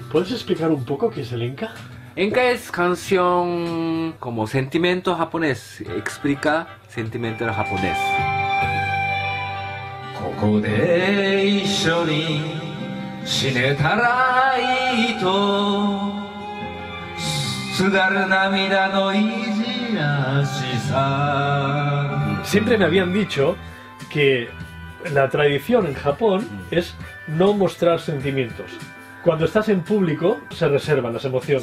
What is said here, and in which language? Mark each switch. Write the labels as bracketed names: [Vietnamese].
[Spanish] ¿Puedes explicar un poco qué es el enka? Enka es canción como sentimiento japonés. Explica sentimiento japonés. [Japanese] ここで一緒に死ねたらいいと すがる涙の意地なしさ。 [Spanish] Siempre me habían dicho que la tradición en Japón es no mostrar sentimientos. Cuando estás en público se reservan las emociones.